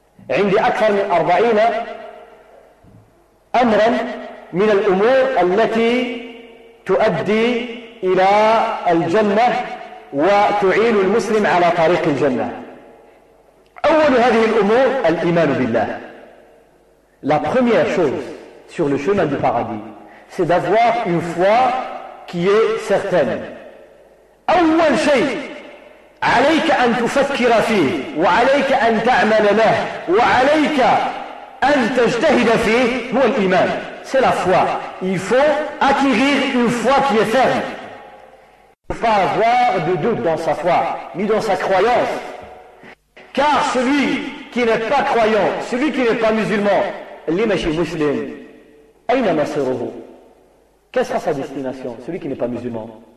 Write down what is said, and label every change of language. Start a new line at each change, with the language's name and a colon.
Arabic: عندي أكثر من 40 أمرا من الأمور التي تؤدي إلى الجنة وتعين المسلم على طريق الجنة. أول هذه الأمور الإيمان بالله.
French: La première chose sur le chemin du paradis, c'est d'avoir une foi qui est certaine.
Arabic: أول شيء عليك أن تفكر فيه وعليك أن تعمل له وعليك أن تجتهد فيه هو الإيمان.
French: C'est la foi. Il faut acquérir une foi qui est ferme. Il ne faut pas avoir de doute dans sa foi, ni dans sa croyance. Car celui qui n'est pas croyant, celui qui n'est pas musulman,
Arabic: l'imashi muslim, aïna masirohu,
French: quelle sera sa destination, celui qui n'est pas musulman?